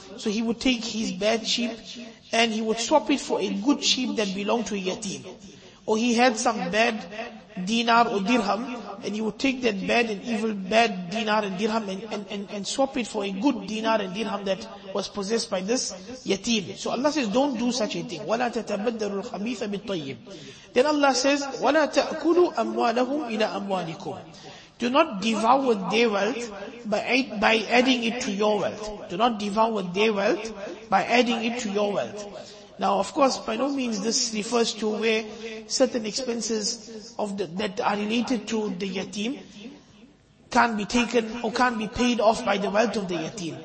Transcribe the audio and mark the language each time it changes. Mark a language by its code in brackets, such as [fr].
[en] So he would take his bad sheep and he would swap it for a good sheep that belonged to a yatim. Or he had some bad dinar or dirham, and he would take that bad and evil bad dinar and dirham and swap it for a good dinar and dirham that was possessed by this yatim. So Allah says, don't do such a thing. [ar] وَلَا تَتَبَدَّرُ الْخَبِيثَ بِالطَّيِّبِ. [en] Then Allah says, [ar] وَلَا تَأْكُلُوا أَمْوَالَهُمْ إِلَىٰ أَمْوَالِكُمْ. [en] Do not devour their wealth by adding it to your wealth. Do not devour their wealth by adding it to your wealth. Now, of course, by no means this refers to where certain expenses of that are related to the yatim can't be taken or can't be paid off by the wealth of the yatim.